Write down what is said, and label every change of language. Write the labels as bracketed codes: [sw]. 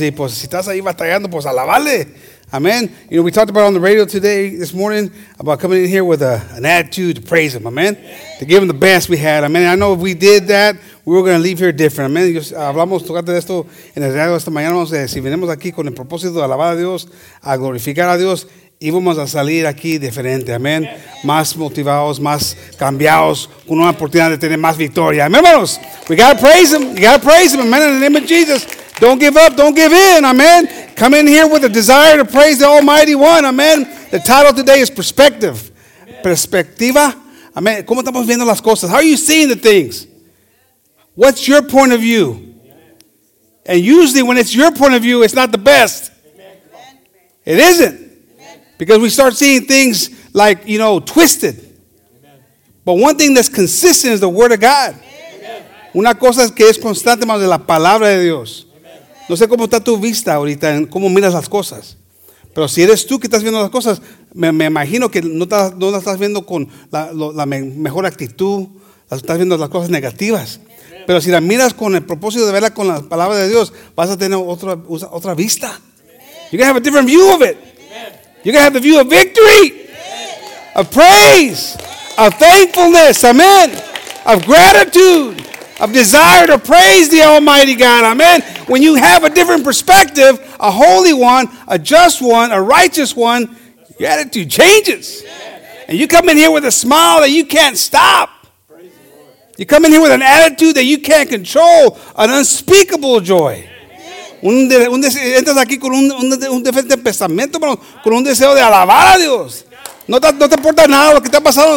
[es] Y pues, si estás ahí batallando, pues alabale. [en] Amen. You know, we talked about on the radio this morning, about coming in here with an attitude to praise him. Amen. Yeah. To give him the best we had. Amen. I know if we did that, we were going to leave here different. Amen. [es] Hablamos tocando de esto en el radio esta mañana. Si venimos aquí con el propósito de alabar a Dios, a glorificar a Dios, íbamos a salir aquí diferente. Amen. Más motivados, más cambiados, con una oportunidad de tener más victoria. [en] Amen, hermanos. We got to praise him. You got to praise him. Amen. In the name of Jesus. Don't give up. Don't give in. Amen. Come in here with a desire to praise the Almighty One. Amen. The title today is Perspective. Amen. Perspectiva. Amen. [es] ¿Cómo estamos viendo las cosas? [en] How are you seeing the things? What's your point of view? And usually when it's your point of view, it's not the best. It isn't. Because we start seeing things like, you know, twisted. But one thing that's consistent is the Word of God. [es] Una cosa que es constante más de la Palabra de Dios. No sé cómo está tu vista ahorita, cómo miras las cosas. Pero si eres tú que estás viendo las cosas, me imagino que no las estás viendo con la mejor actitud. Las estás viendo las cosas negativas. Pero si las miras con el propósito de verla con la palabra de Dios, vas a tener otra vista. [en] You're going to have a different view of it. You're going to have the view of victory. Of praise. Of thankfulness. Amen. Of gratitude. Of desire to praise the Almighty God. Amen. When you have a different perspective, a holy one, a just one, a righteous one, your attitude changes. And you come in here with a smile that you can't stop. You come in here with an attitude that you can't control, an unspeakable joy. [es] Entras aquí con un diferente pensamiento, con un deseo de alabar a Dios. No te importa nada lo que está pasando.